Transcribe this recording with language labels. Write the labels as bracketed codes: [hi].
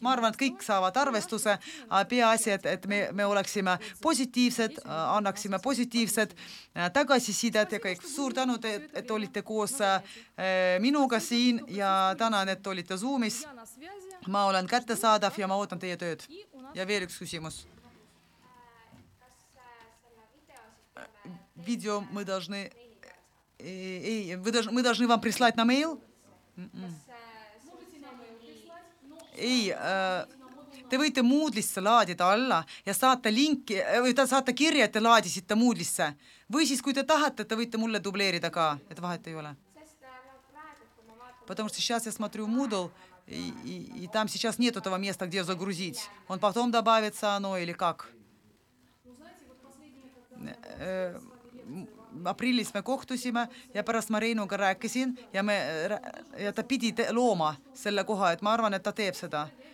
[et] Ma arvan, et kõik saavad arvestuse, aga peaasi, et me oleksime positiivsed, annaksime positiivsed tagasisidet ja kõik suur tänud, et olite koos minuga siin ja tänan, et olite Zoomis. Ma olen kättesaadav ja ma ootan teie tööd. Ja veel üks küsimus. [ru] Video me должны вам прислать на mail? [et] Ei, te võite Moodle'isse laadida alla ja saate kirja, et te laadisite Moodle'isse. Või siis, kui te tahate, te võite mulle dubleerida ka, et vahet ei ole. [ru] Потому что сейчас я смотрю Moodle, и там сейчас нет этого места, где загрузить. Он потом добавится оно или как? [et] Aprillis me kohtusime ja pärast ma Reinuga rääkisin ja ta pidi looma selle koha, et ma arvan, et ta teeb seda.